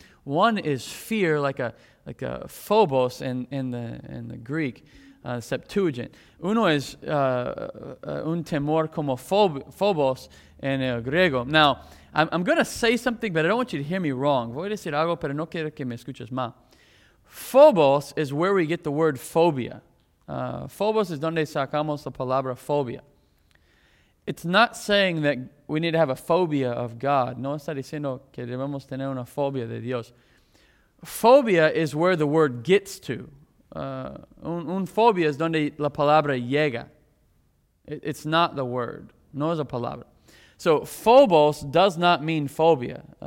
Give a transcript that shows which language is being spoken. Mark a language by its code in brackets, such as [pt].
[en] One is fear, like a phobos in the Greek, Septuagint. [es] Uno es un temor como phobos en el griego. [en] Now, I'm going to say something, but I don't want you to hear me wrong. [es] Voy a decir algo, pero no quiero que me escuches mal. [en] Phobos is where we get the word phobia. Phobos is [es] donde sacamos la palabra fobia. [en] It's not saying that we need to have a phobia of God. [es] No está diciendo que debemos tener una fobia de Dios. [en] Phobia is where the word gets to. [es] Un fobia es donde la palabra llega. [en] It's not the word. [es] No es la palabra. [en] So phobos does not mean phobia.